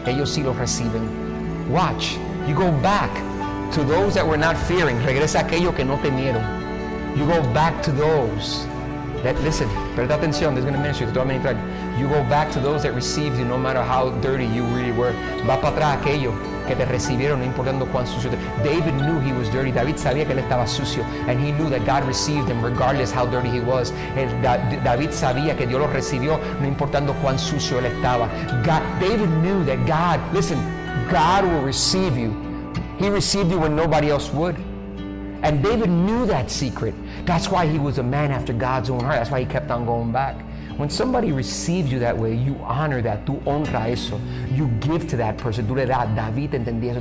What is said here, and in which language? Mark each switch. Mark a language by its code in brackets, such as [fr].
[es] Ellos sí lo reciben. [en] Watch. You go back to those that were not fearing. [es] Regresa a aquellos que no temieron. [en] You go back to those that, listen, [es] presta atención, [en] this is going to minister, [es] te voy a ministrar. [en] You go back to those that received you, no matter how dirty you really were. [es] Va para atrás aquello que te recibieron, no importando cuán sucio. [en] David knew he was dirty. [es] David sabía que él estaba sucio. [en] And he knew that God received him, regardless how dirty he was. [es] David sabía que Dios lo recibió, no importando cuán sucio él estaba. [en] David knew that God, listen, God will receive you. He received you when nobody else would. And David knew that secret. That's why he was a man after God's own heart. That's why he kept on going back. When somebody receives you that way, you honor that. [es] Tú honra eso. [en] You give to that person. [es] Tú le das. David entendía eso.